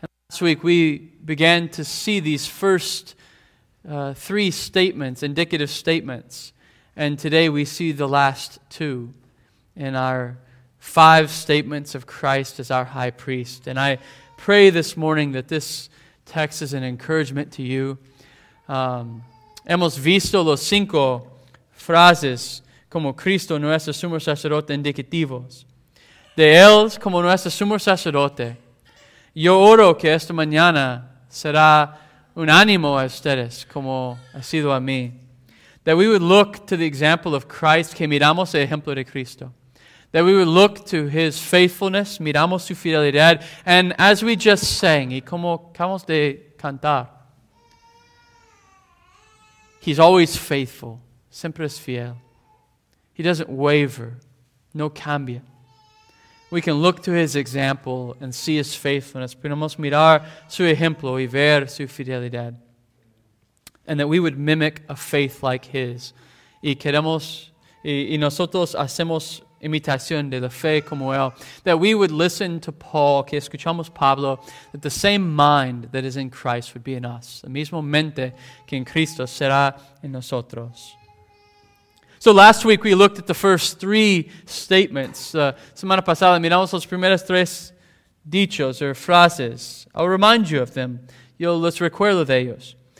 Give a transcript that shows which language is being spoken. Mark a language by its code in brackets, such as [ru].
[en] Last week, we began to see these first three statements, indicative statements, and today we see the last two in our five statements of Christ as our high priest. And I pray this morning that this text is an encouragement to you. [es] Hemos visto los cinco frases como Cristo nuestro sumo sacerdote indicativos. De él como nuestro sumo sacerdote. Yo oro que esta mañana será un ánimo a ustedes, como ha sido a mí. [en] That we would look to the example of Christ, [es] que miramos el ejemplo de Cristo. [en] That we would look to his faithfulness, [es] miramos su fidelidad. [en] And as we just sang, [es] y como acabamos de cantar, [en] he's always faithful, [es] siempre es fiel. [en] He doesn't waver, [es] no cambia. [en] We can look to his example and see his faithfulness. [es] Podemos mirar su ejemplo y ver su fidelidad. [en] And that we would mimic a faith like his. [es] Y queremos, y nosotros hacemos imitación de la fe como él. [en] That we would listen to Paul, [es] que escuchamos Pablo, [en] that the same mind that is in Christ would be in us. [es] La misma mente que en Cristo será en nosotros. [en] So last week we looked at the first three statements. [es] Semana pasada miramos los primeros tres dichos [en] or [es] frases. [en] I'll remind you of them. [es] Yo los recuerdo de ellos.